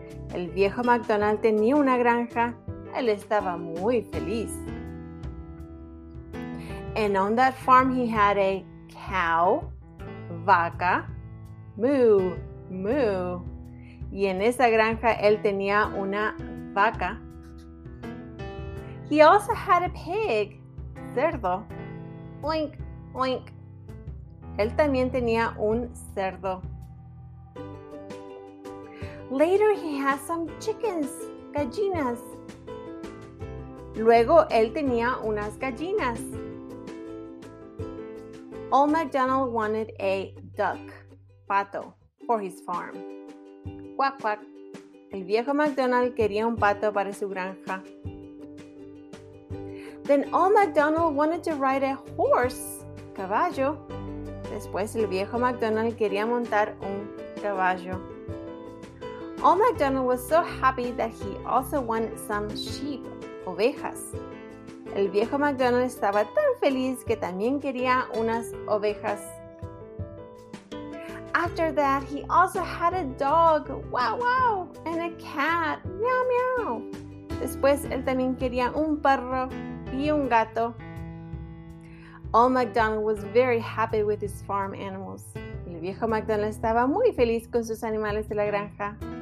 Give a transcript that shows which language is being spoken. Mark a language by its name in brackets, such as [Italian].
[Spanish] El Viejo MacDonald Tenía Una Granja, él estaba muy feliz. [English] And on that farm, he had a cow, vaca, moo, moo. [Spanish] Y en esa granja, él tenía una vaca. [English] He also had a pig, cerdo, oink, oink. [Spanish] Él también tenía un cerdo. [English] Later, he had some chickens, [Spanish] gallinas. Luego, él tenía unas gallinas. [English] Old MacDonald wanted a duck, pato, for his farm. Quack, quack. [Spanish] El viejo MacDonald quería un pato para su granja. [English] Then Old MacDonald wanted to ride a horse, caballo. [Spanish] Después el viejo MacDonald quería montar un caballo. [English] Old MacDonald was so happy that he also wanted some sheep, ovejas. [Spanish] El viejo MacDonald estaba tan feliz que también quería unas ovejas. [English] After that, he also had a dog, wow, wow, and a cat, meow, meow. [Spanish] Después, él también quería un perro y un gato. [English] Old MacDonald was very happy with his farm animals. [Spanish] El viejo MacDonald estaba muy feliz con sus animales de la granja.